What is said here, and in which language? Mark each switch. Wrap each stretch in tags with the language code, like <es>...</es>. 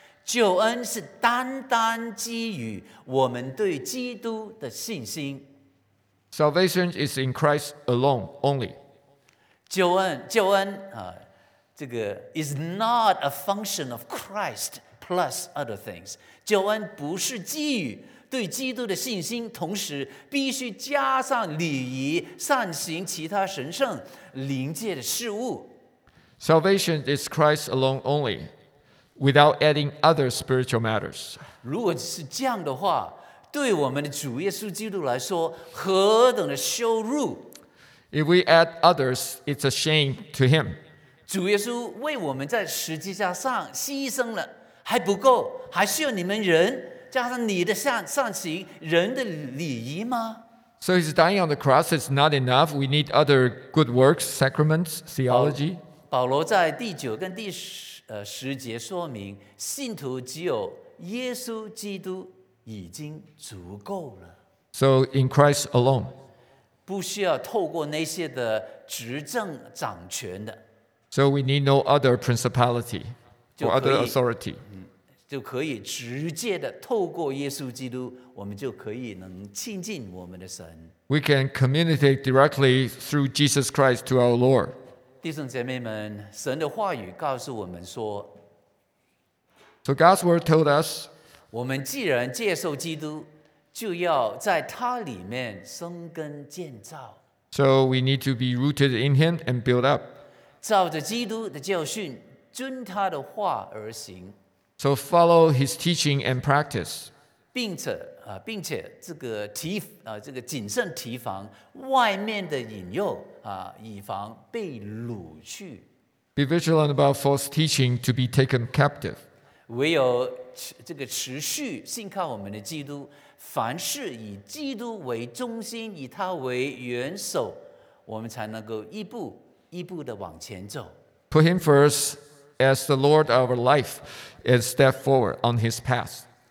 <zh>救恩是单单基于我们对基督的信心。</zh> <en>Salvation is in Christ alone, only.</en> <zh>救恩这个</zh> <en>is not a function of Christ plus other things.</en> <zh>救恩不是基于对基督的信心，同时必须加上礼仪、善行、其他神圣灵界的事物。</zh> <en>Salvation is Christ alone only, without adding other spiritual matters.</en> <zh>如果是这样的话，对我们的主耶稣基督来说，何等的羞辱！</zh> <en>If we add others, it's a shame to him.</en> <zh>主耶稣为我们在十字架上牺牲了，还不够，还需要你们人加上你的善行、人的礼仪吗？</zh> <en>So he's dying on the cross. It's not enough. We need other good works, sacraments, theology.</en> <zh>保罗在第九跟第 十节说明，信徒只有耶稣基督已经足够了。</zh> <en>So in Christ alone.</en> <zh>不需要透过那些的执政掌权的。</zh> <en>So we need no other principality or other authority.</en> <zh>就可以直接的透过耶稣基督，我们就可以能亲近我们的神。</zh> <en>We can communicate directly through Jesus Christ to our Lord.</en> <zh>弟兄姐妹们，神的话语告诉我们说，</zh> <en>So God's word told us,</en> <zh>我们既然接受基督，就要在他里面生根建造。</zh> <en>So we need to be rooted in him and build up.</en> <zh>照着基督的教训，遵他的话而行。</zh> <en>So follow his teaching and practice.</en> <zh>并且这个谨慎提防外面的引诱以防被掳去。</zh> <en>Be vigilant about false teaching to be taken captive.</en> <zh>唯有这个持续信靠我们的基督，凡事以基督为中心，以他为元首，我们才能够一步一步的往前走。</zh> <en>Put him first. As the Lord of our life, and step forward on His path.</en>